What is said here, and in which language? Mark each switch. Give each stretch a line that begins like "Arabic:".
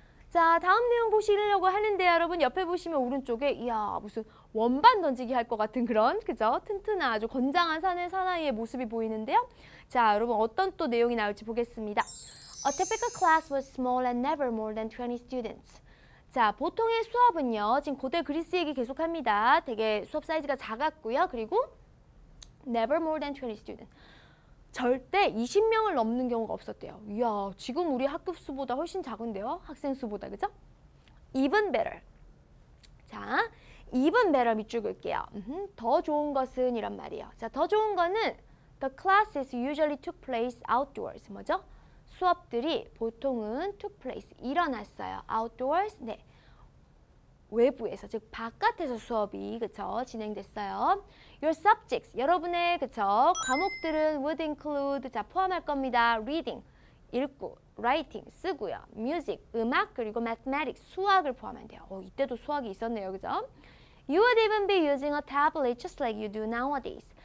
Korean: 자, 다음 내용 보시려고 하는데요. 여러분 옆에 보시면 오른쪽에 이야 무슨 원반 던지기 할 것 같은 그런 그죠? 튼튼한 아주 건장한 사내 사나이의 모습이 보이는데요. 자, 여러분 어떤 또 내용이 나올지 보겠습니다.
English: A typical class was small and never more than 20 students.
Korean: 자, 보통의 수업은요. 지금 고대 그리스 얘기 계속합니다. 되게 수업 사이즈가 작았고요.
English: 그리고 never more than 20 students.
Korean: 절대 20명을 넘는 경우가 없었대요. 이야, 지금 우리 학급 수보다 훨씬 작은데요. 학생 수보다, 그죠?
English: Even better.
Korean: 자, even better 밑줄 긋게요. 더 좋은 것은 이란 말이에요. 자, 더 좋은 거는
English: the classes usually took place outdoors.
Korean: 뭐죠? 수업들이 보통은
English: took place,
Korean: 일어났어요. Outdoors, 네. 외부에서, 즉 바깥에서 수업이, 그쵸, 진행됐어요.
English: Your subjects,
Korean: 여러분의, 그쵸, 과목들은
English: would include,
Korean: 자, 포함할 겁니다. Reading, 읽고, writing, 쓰고요. Music, 음악, 그리고 mathematics, 수학을 포함한 돼요. 어, 이때도 수학이 있었네요, 그죠?
English: You would even be using a tablet just like you do nowadays.